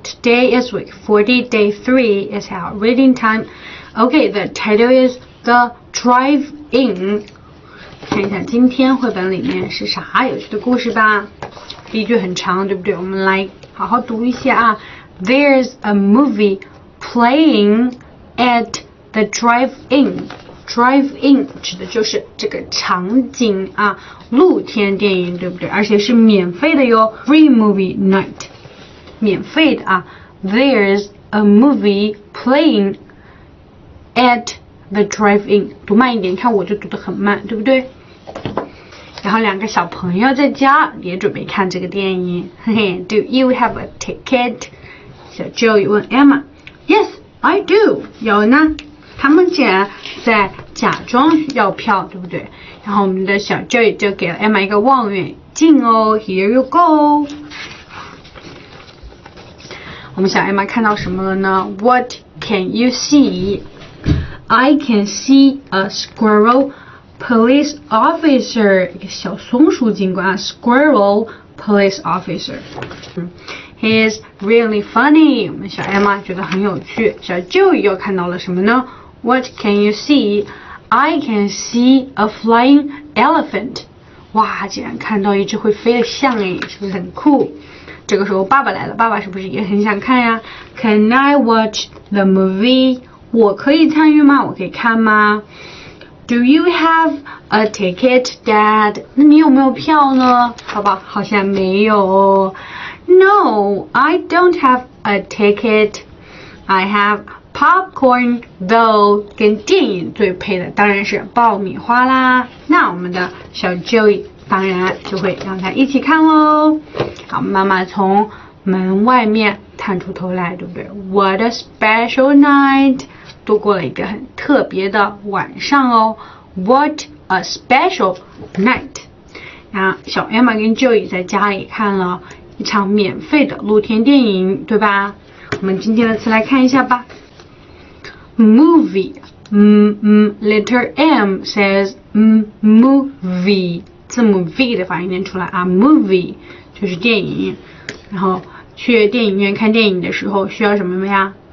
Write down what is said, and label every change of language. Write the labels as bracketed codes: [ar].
[en] Today is week 40, day 3 is our reading time. Okay, the title is The Drive-In. [zh] 看一下今天绘本里面是啥有趣的故事吧。第一句很长，对不对？我们来好好读一下啊。 [en] There's a movie playing at the drive-in. [zh] Drive-in 指的就是这个场景啊。露天电影对不对？而且是免费的哟 ， [en] free movie night， [zh] 免费的啊。 [en] There's a movie playing at the drive-in， [zh] 读慢一点，看我就读得很慢，对不对？然后两个小朋友在家也准备看这个电影，嘿嘿。 [en] Do you have a ticket？ [zh] 小 Joey 问 Emma。 [en] Yes， I do。 [zh] 有呢。他们竟然在假装要票，对不对？然后我们的小 Joy 就给了 Emma 一个望远镜哦 ， [en] Here you go。 [zh] 我们小 Emma 看到什么了呢 ？ [en] What can you see？ I can see a squirrel police officer， [zh] 一个小松鼠警官 [en] ，squirrel police officer。 He's really funny。 [zh] 我们小 Emma 觉得很有趣。小 Joy 又看到了什么呢？ [en] What can you see? I can see a flying elephant. [zh] 哇，竟然看到一只会飞的象耶，是不是很酷？这个时候爸爸来了，爸爸是不是也很想看呀？ [en] Can I watch the movie? [zh] 我可以参与吗？我可以看吗？ [en] Do you have a ticket, Dad? [zh] 那你有没有票呢？爸爸好像没有哦。 [en] No, I don't have a ticket. I havePopcorn, though, [zh] 跟电影最配的当然是爆米花啦。那我们的小 Joey 当然就会让他一起看咯。好，妈妈从门外面探出头来，对不对？ [en] What a special night! [zh] 度过了一个很特别的晚上哦。 [en] What a special night! [zh] 然后小 Emma 跟 Joey 在家里看了一场免费的露天电影，对吧？我们今天的词来看一下吧。 Movie, [en] letter M says movie, [zh] 字母 V 的发音念出来啊 ，movie 就是电影。然后去电影院看电影的时候需要什么呀？